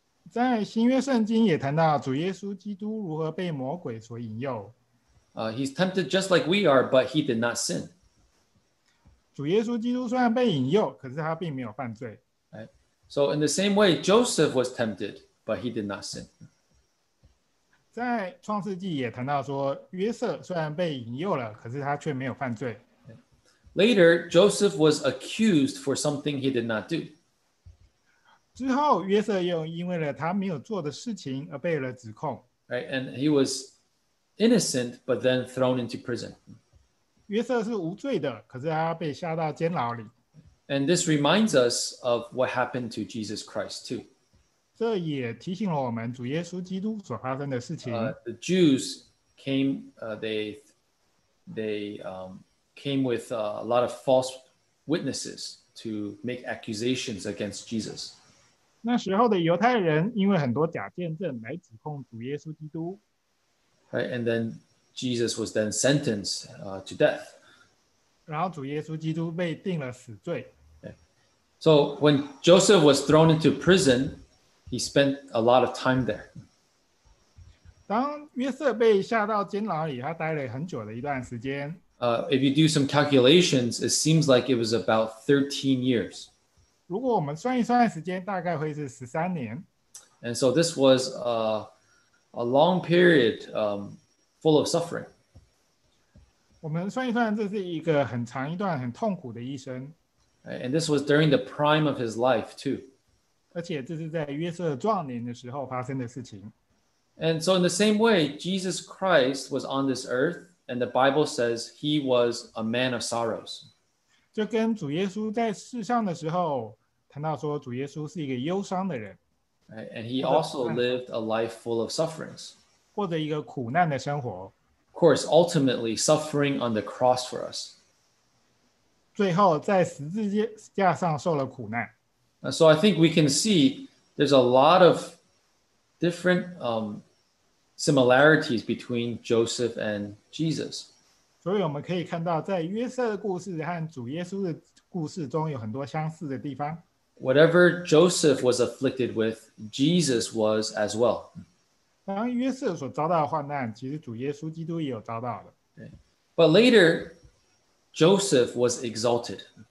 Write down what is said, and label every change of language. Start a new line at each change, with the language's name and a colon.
Chinese: 在新约圣经也谈到主耶稣基督如何被魔鬼所引诱。
English: He's tempted just like we are, but he did not sin.
Chinese: 主耶稣基督虽然被引诱，可是他并没有犯罪。
English: So in the same way, Joseph was tempted, but he did not sin.
Chinese: 在创世纪也谈到说，约瑟虽然被引诱了，可是他却没有犯罪。
English: Later, Joseph was accused for something he did not do.
Chinese: 之后，约瑟又因为了他没有做的事情而被了指控。
English: Right, and he was innocent, but then thrown into prison.
Chinese: 约瑟是无罪的，可是他被下到监牢里。
English: And this reminds us of what happened to Jesus Christ too.
Chinese: 这也提醒了我们主耶稣基督所发生的事情。
English: The Jews came, they came with a lot of false witnesses to make accusations against Jesus.
Chinese: 那时候的犹太人因为很多假见证来指控主耶稣基督。
English: Right, and then Jesus was then sentenced to death.
Chinese: 然后主耶稣基督被定了死罪。
English: So when Joseph was thrown into prison, he spent a lot of time there.
Chinese: 当约瑟被下到监牢里，他待了很久的一段时间。
English: If you do some calculations, it seems like it was about 13 years.
Chinese: 如果我们算一算时间，大概会是13年。
English: And so this was a long period full of suffering.
Chinese: 我们算一算，这是一个很长一段很痛苦的一生。
English: And this was during the prime of his life, too.
Chinese: 而且这是在约瑟壮年的时候发生的事情。
English: And so in the same way, Jesus Christ was on this earth, and the Bible says he was a man of sorrows.
Chinese: 就跟主耶稣在世上的时候谈到说主耶稣是一个忧伤的人。
English: And he also lived a life full of sufferings.
Chinese: 或者一个苦难的生活。
English: Of course, ultimately suffering on the cross for us.
Chinese: 最后在十字架上受了苦难。
English: So I think we can see there's a lot of different similarities between Joseph and Jesus.
Chinese: 所以我们可以看到在约瑟的故事和主耶稣的故事中有很多相似的地方。
English: Whatever Joseph was afflicted with, Jesus was as well.
Chinese: 当约瑟所遭到的患难，其实主耶稣基督也有遭到的。
English: But later, Joseph was exalted.